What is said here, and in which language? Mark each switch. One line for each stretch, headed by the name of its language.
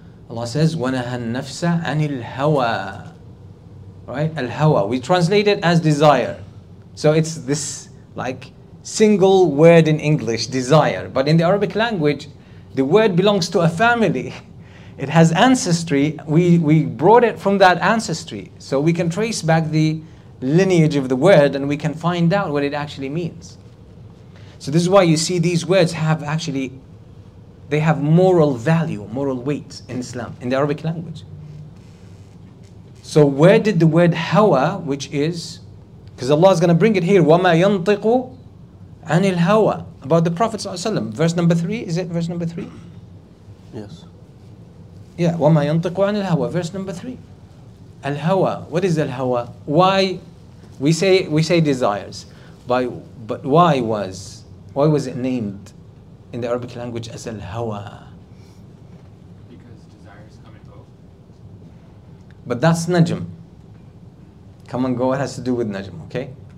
English: Allah says,
Arabic: وَنَهَى النَّفْسَ عَنِ الْهَوَى.
English: Right? Al-hawa. We translate it as desire. So it's this like single word in English, desire. But in the Arabic language, the word belongs to a family. It has ancestry. We brought it from that ancestry. So we can trace back the lineage of the word and we can find out what it actually means. So this is why you see these words have actually, they have moral value, moral weight in Islam, in the Arabic language. So where did the word hawa, which is, because Allah is going to bring it here,
Arabic: وَمَا يَنْطِقُ عَنِ الْهَوَى,
English: about the Prophet ﷺ, verse number 3, is it verse number 3? Yes. Yeah,
Arabic: وَمَا يَنْطِقُ عَنِ الْهَوَى,
English: verse number 3. Al-hawa, what is al-hawa? Why? We say desires. But why was it named in the Arabic language as al-hawa? Because desires come and go. But that's najm. Come and go, it has to do with najm, okay?